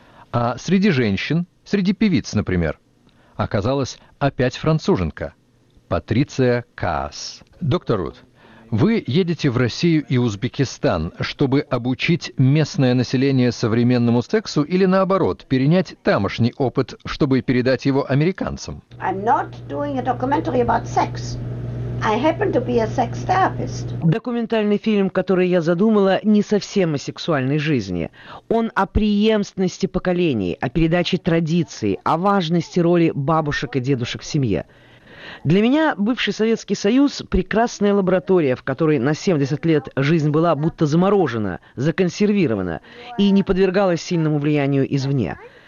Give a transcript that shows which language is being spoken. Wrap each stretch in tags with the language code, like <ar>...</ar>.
<ru>А среди женщин, среди певиц, например, оказалась опять француженка – Патриция Каас. Доктор Рут, вы едете в Россию и Узбекистан, чтобы обучить местное население современному сексу или, наоборот, перенять тамошний опыт, чтобы передать его американцам?</ru> <en>I'm not doing a documentary about sex. I happen to be a sex therapist.</en> <ru>Документальный фильм, который я задумала, не совсем о сексуальной жизни. Он о преемственности поколений, о передаче традиций, о важности роли бабушек и дедушек в семье. Для меня бывший Советский Союз – прекрасная лаборатория, в которой на 70 лет жизнь была будто заморожена, законсервирована и не подвергалась сильному влиянию извне.</ru>